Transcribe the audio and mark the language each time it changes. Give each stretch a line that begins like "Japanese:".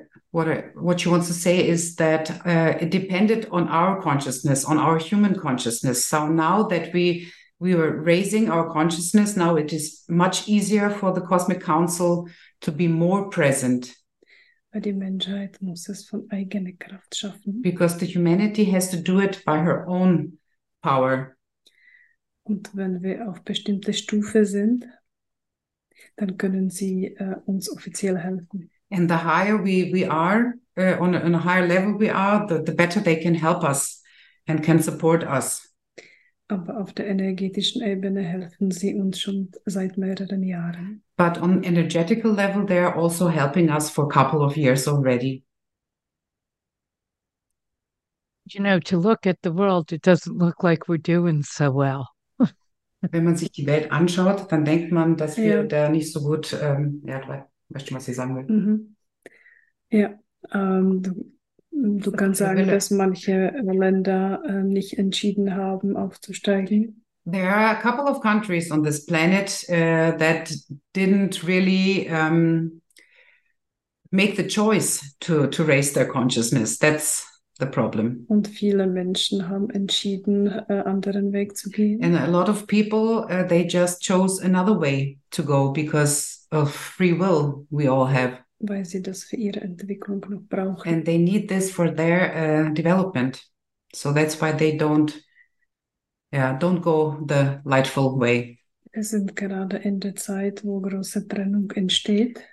English: What you want to say is that it depended on our consciousness, on our human consciousness. So now that we were raising our consciousness, now it is much easier for the Cosmic Council to be more present.
German: Weil die Menschheit muss es von eigener Kraft schaffen.
English: Because the humanity has to do it by her own power.
German: Und wenn wir auf bestimmte Stufe sind, dann können sie uns offiziell helfen.
English: And the higher we are, on a higher level we are, the better they can help us and can support us.
German: Aber auf der energetischen Ebene helfen sie uns schon seit mehreren Jahren.
English: But on energetical level, they are also helping us for a couple of years already. You know, to look at the world, it doesn't look like we're doing so well.
German: Wenn man sich die Welt anschaut, dann denkt man, dass wir da nicht so gut, weißt du, was ich sagen will? Mm-hmm. Ja, du kannst sagen, dass manche Länder nicht entschieden haben, aufzusteigen.
English: There are a couple of countries on this planet that didn't really make the choice to raise their consciousness. That's the problem.
German: Und viele Menschen haben entschieden, anderen Weg zu gehen.
English: And a lot of people, they just chose another way to go because of free will we all have.
German: Weil sie das für ihre Entwicklung noch brauchen.
English: And they need this for their development. So that's why they don't don't go the lightful way.
German: Wir sind gerade in der Zeit, wo große Trennung entsteht.